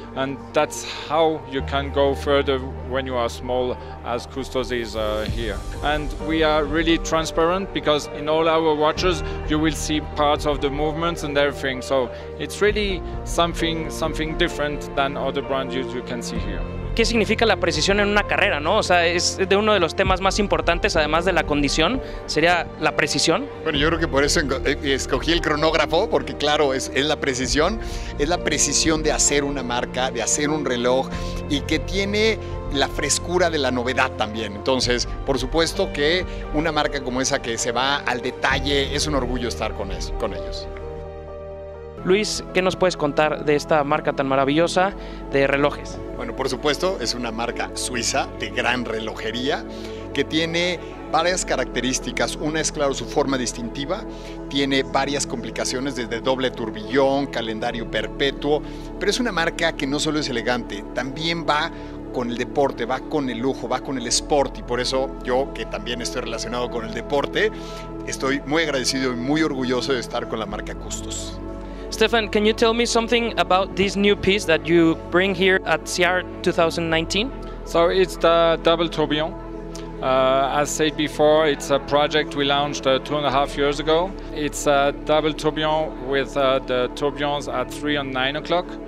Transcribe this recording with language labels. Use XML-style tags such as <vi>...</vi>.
<en>And that's how you can go further when you are small, as Cvstos is here. And we are really transparent, because in all our watches, you will see parts of the movements and everything. So it's really something different than other brands you can see here.</en> <es>¿Qué significa la precisión en una carrera, no? O sea, es de uno de los temas más importantes, además de la condición, sería la precisión. Bueno, yo creo que por eso escogí el cronógrafo, porque claro, es la precisión de hacer una marca, de hacer un reloj, y que tiene la frescura de la novedad también. Entonces, por supuesto que una marca como esa, que se va al detalle, es un orgullo estar con ellos. Luis, ¿qué nos puedes contar de esta marca tan maravillosa de relojes? Bueno, por supuesto, es una marca suiza de gran relojería que tiene varias características. Una es, claro, su forma distintiva. Tiene varias complicaciones, desde doble tourbillon, calendario perpetuo. Pero es una marca que no solo es elegante, también va con el deporte, va con el lujo, va con el sport. Y por eso yo, que también estoy relacionado con el deporte, estoy muy agradecido y muy orgulloso de estar con la marca Cvstos.</es> <en>Stefan, can you tell me something about this new piece that you bring here at SIAR 2019? So it's the double tourbillon. As said before, it's a project we launched 2.5 years ago. It's a double tourbillon with the tourbillons at 3 and 9 o'clock.</en>